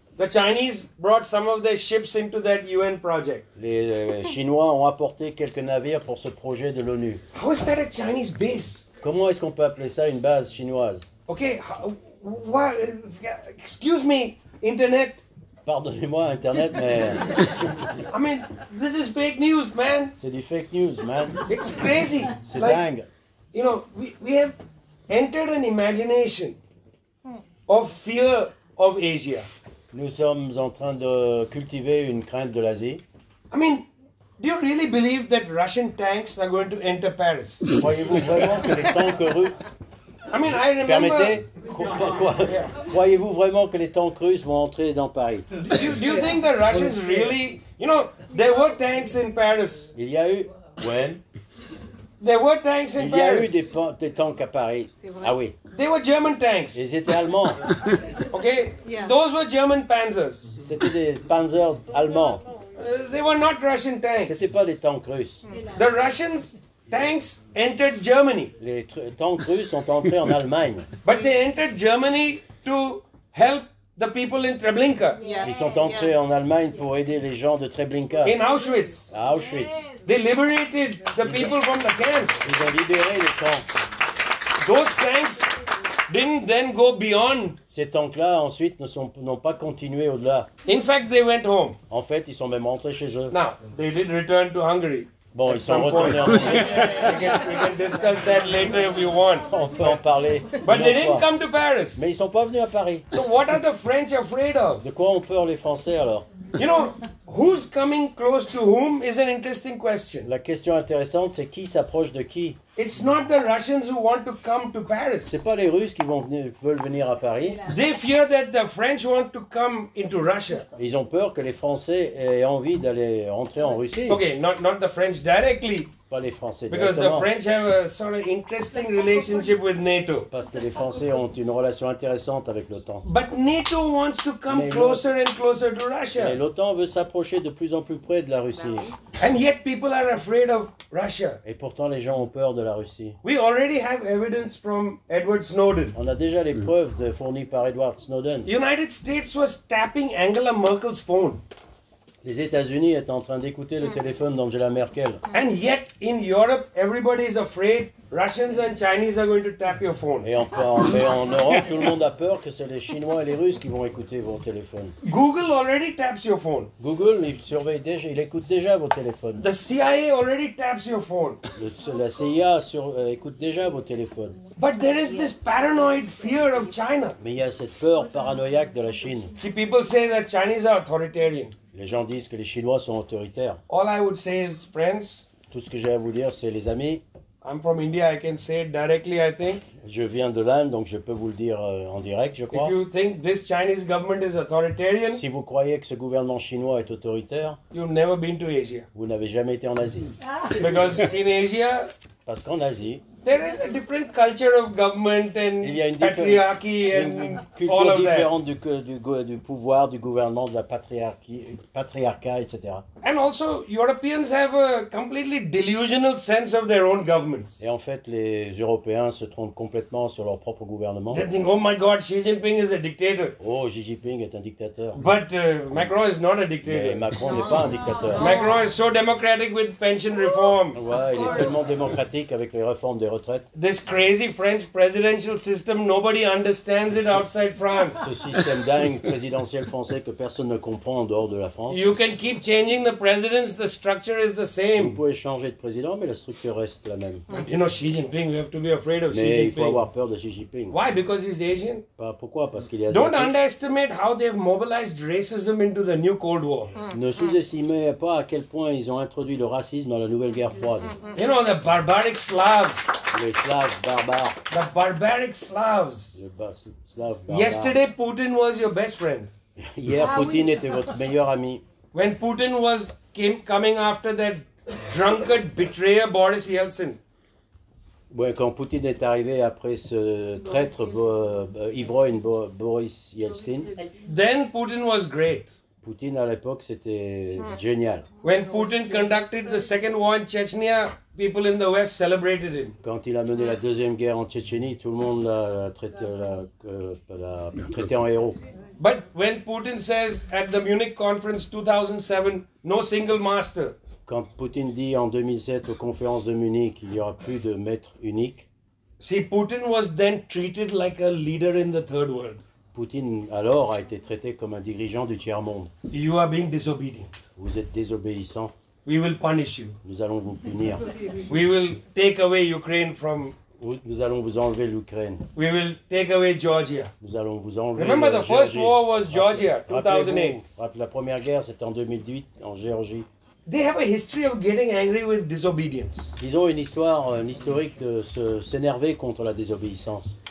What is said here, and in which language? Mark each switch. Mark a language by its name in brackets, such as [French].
[English] The Chinese brought some of their ships into that UN project. [French] Les Chinois ont apporté quelques navires pour ce projet de l'ONU. [English] How is that a Chinese base? [French] Comment est-ce qu'on peut appeler ça une base chinoise? [English] Okay, what? Excuse me, Internet. [French] Pardonnez-moi, Internet, mais. [English] I mean, this is fake news, man. [French] C'est du [English] fake news, man. It's crazy. [French] C'est [English] like, [French] dingue. [English] You know, we have entered an imagination of fear of Asia. [French] Nous sommes en train de cultiver une crainte de l'Asie. [English] I mean, do you really believe that Russian tanks are going to enter Paris? [French] Croyez-vous vraiment que les tanks russes... [English] I mean, I remember... [French] Permettez, croyez-vous vraiment que les tanks russes vont entrer dans Paris? [English] Do you think the Russians really... You know, there were tanks in Paris. [French] Il y a eu... [English] When? There were tanks in Paris. [French] Il y a eu des tanks à Paris. Ah oui. [English] They were German tanks. [French] Ils étaient allemands. [English] Okay. Yeah. Those were German panzers. [French] C'était des panzers allemands. [English] They were not Russian tanks. [French] C'était pas des tanks russes. [English] The Russians tanks entered Germany. [French] Les tanks russes sont entrés en Allemagne. [English] But they entered Germany to help the people in Treblinka. Yeah. [French] Ils sont entrés en Allemagne pour aider les gens de Treblinka. [English] In Auschwitz. [French] À Auschwitz. [English] Yes. They liberated the people from the camps. [French] Ils ont libéré les camps. [English] Those tanks didn't then go beyond. [French] Ces tanks-là ensuite n'ont pas continué au-delà. [English] In fact, they went home. [French] En fait, ils sont même rentrés chez eux. [English] Now, they did return to Hungary. [French] Bon, ils sont retournés en Hongrie. [English] We can discuss that later if you want. [French] On peut en parler. [English] But they didn't come to Paris. [French] Mais ils sont pas venus à Paris. [English] So what are the French afraid of? [French] De quoi ont peur les Français alors? [English] You know, who's coming close to whom is an interesting question. [French] La question intéressante, c'est qui s'approche de qui? [English] It's not the Russians who want to come to Paris. [French] C'est pas les Russes qui veulent venir à Paris. [English] They fear that the French want to come into Russia. [French] Ils ont peur que les Français aient envie d'aller entrer en Russie. [English] Okay, not the French directly. [French] Pas les Français directement. [English] Because the French have a sort of interesting relationship with NATO. [French] Parce que les Français ont une relation intéressante avec l'OTAN. [English] But NATO wants to come closer and closer to Russia. [French] Mais l'OTAN veut s'approcher de plus en plus près de la Russie. [English] And yet people are afraid of Russia. [French] Et pourtant les gens ont peur de la Russie. [English] We already have evidence from Edward Snowden. [French] On a déjà les preuves fournies par Edward Snowden. [English] The United States was tapping Angela Merkel's phone. [French] Les États-Unis étaient en train d'écouter le téléphone d'Angela Merkel. [English] And yet in Europe everybody is afraid Russians and Chinese are going to tap your phone. [French] Et en Europe tout le monde a peur que c'est les Chinois et les Russes qui vont écouter vos téléphones. [English] Google already taps your phone. [French] Google, il surveille déjà, il écoute déjà vos téléphones. [English] The CIA already taps your phone. [French] La CIA écoute déjà vos téléphones. [English] But there is this paranoid fear of China. [French] Mais il y a cette peur paranoïaque de la Chine. [English] See, people say that Chinese are authoritarian. [French] Les gens disent que les Chinois sont autoritaires. [English] All I would say is friends. [French] Tout ce que j'ai à vous dire, c'est les amis. [English] I'm from India, I can say it directly, I think. [French] Je viens de l'Inde, donc je peux vous le dire en direct, je crois. [English] If you think this Chinese government is authoritarian, [French] si vous croyez que ce gouvernement chinois est autoritaire, [English] you've never been to Asia. [French] Vous n'avez jamais été en Asie. [English] Because in Asia, [French] parce qu'en Asie, [English] there is a different culture of government and patriarchy and all of that. [French] Il y a une culture différente du pouvoir, du gouvernement, de la patriarcat, etc. [English] And also, Europeans have a completely delusional sense of their own governments. [French] Et en fait, les Européens se trompent complètement sur leur propre gouvernement. [English] They think, oh my God, Xi Jinping is a dictator. [French] Oh, Xi Jinping est un dictateur. [English] But Macron is not a dictator. [French] Mais Macron n'est pas un dictateur. [English] Macron is so democratic with pension reform. [French] Ouais, il est tellement démocratique avec les réformes de retraite. [English] This crazy French presidential system, nobody understands it outside France. [French] Ce système dingue présidentiel français que personne ne comprend en dehors de la France. [English] You can keep changing the presidents, the structure is the same. [French] Vous pouvez changer de président, mais la structure reste la même. [English] You know Xi Jinping, we have to be afraid of [French] mais [English] Xi Jinping. [French] Mais il faut avoir peur de Xi Jinping. [English] Why? Because he's Asian? [French] Bah, pourquoi? Parce qu'il est asiatique. [English] Don't underestimate how they've mobilized racism into the new Cold War. [French] Ne sous-estimez pas à quel point ils ont introduit le racisme dans la nouvelle guerre froide. [English] You know, the barbaric Slavs. [French] Les Slaves barbares. [English] The barbaric Slavs. [French] Les Slaves barbares. [English] Yesterday, Putin was your best friend. [French] Hier, Poutine était votre meilleur ami. [English] When Putin was coming after that drunkard betrayer Boris Yeltsin. [French] Ouais, quand Poutine est arrivé après ce traître ivrogne Boris Yeltsin. [English] Then Putin was great. [French] Poutine à l'époque c'était génial. [English] When Putin conducted the second war in Chechnya, people in the West celebrated him. [French] Quand il a mené la deuxième guerre en Tchétchénie, tout le monde l'a traité en héros. [English] But when Putin says at the Munich conference 2007, no single master. [French] Quand Poutine dit en 2007 aux conférences de Munich, il n'y aura plus de maître unique. [English] See, Putin was then treated like a leader in the third world. [French] Poutine alors a été traité comme un dirigeant du tiers monde. [English] You are being disobedient. [French] Vous êtes désobéissant. [English] We will punish you. [French] Nous allons vous punir. [English] We will take away Ukraine from. [French] Nous allons vous enlever l'Ukraine. [English] We will take away Georgia. [French] Nous allons vous enlever. [English] Remember the [French] Géorgie. [English] First war was Georgia, 2008. [French] Rappelez la première guerre, c'était en 2008 en Géorgie. [English] They have a history of getting angry with disobedience. [French] Ils ont une histoire, un historique de s'énerver contre la désobéissance.